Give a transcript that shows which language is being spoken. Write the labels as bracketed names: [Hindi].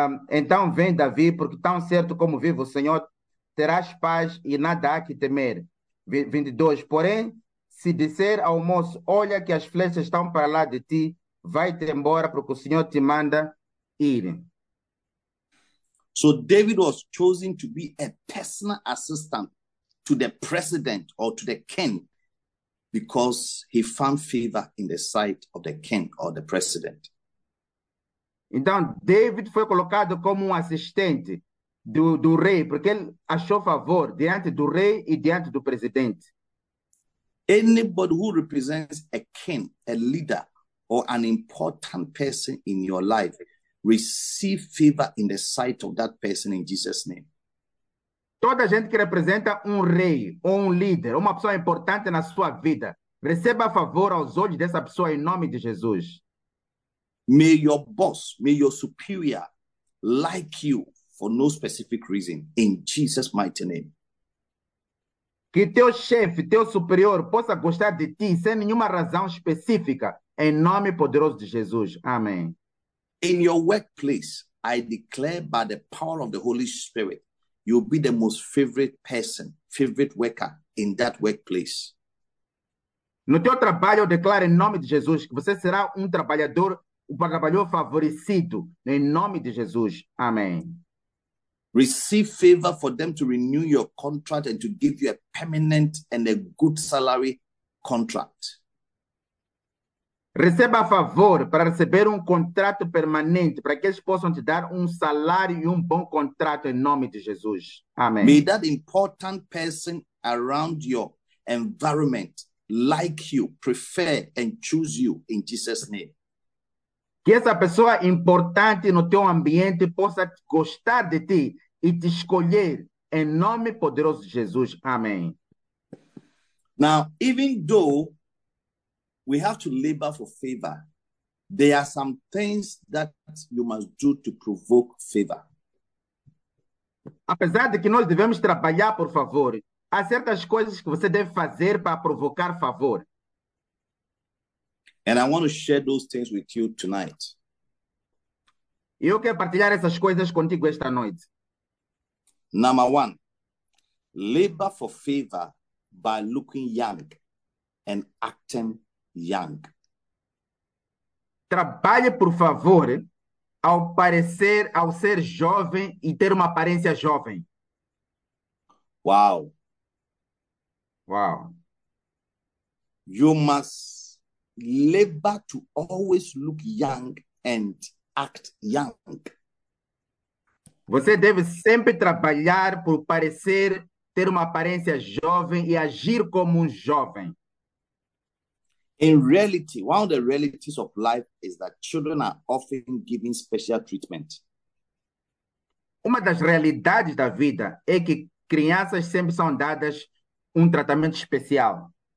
[Portuguese] Então vem, Davi, porque tão certo como vivo o Senhor, terás paz e nada há que temer. 22, porém, se disser ao moço, olha que as flechas estão para lá de ti, vai-te embora, porque o Senhor te manda ir. [English] So David was chosen to be a personal assistant to the president or to the king because he found favor in the sight of the king or the president. [Portuguese] Então, David foi colocado como assistente do rei, porque ele achou favor diante do rei e diante do presidente. [English] Anybody who represents a king, a leader, or an important person in your life, receive favor in the sight of that person in Jesus' name. [Portuguese] Toda gente que representa rei ou líder, uma pessoa importante na sua vida, receba favor aos olhos dessa pessoa em nome de Jesus. [English] May your boss, may your superior like you for no specific reason in Jesus' mighty name. [Portuguese] Que teu chefe, teu superior possa gostar de ti sem nenhuma razão específica, em nome poderoso de Jesus. Amém. [English] In your workplace, I declare by the power of the Holy Spirit, you'll be the most favorite person, favorite worker in that workplace. [Portuguese] No teu trabalho, eu declaro em nome de Jesus que você será trabalhador, trabalhador favorecido, em nome de Jesus. Amém. [English] Receive favor for them to renew your contract and to give you a permanent and a good salary contract. [Portuguese] Receba favor para receber contrato permanente, para que eles possam te dar salário e bom contrato em nome de Jesus. Amém. [English] May that important person around your environment like you, prefer and choose you in Jesus' name. [Portuguese] Que essa pessoa importante no teu ambiente possa gostar de ti e te escolher em nome poderoso de Jesus. Amém. [English] Now, even though we have to labor for favor, there are some things that you must do to provoke favor. [Portuguese] Apesar de que nós devemos trabalhar por favor, há certas coisas que você deve fazer para provocar favor. [English] And I want to share those things with you tonight. [Portuguese] Eu quero partilhar essas coisas contigo esta noite. [English] Number one, labor for favor by looking young and acting young. [Portuguese] Trabalhe por favor ao parecer, ao ser jovem e ter uma aparência jovem. [English] Wow. Wow. You must labor to always look young and act young. [Portuguese] Você deve sempre trabalhar por parecer, ter aparência jovem e agir como jovem. [English] In reality, one of the realities of life is that children are often given special treatment. [Portuguese] Uma das realidades da vida é que crianças sempre são dadas tratamento especial.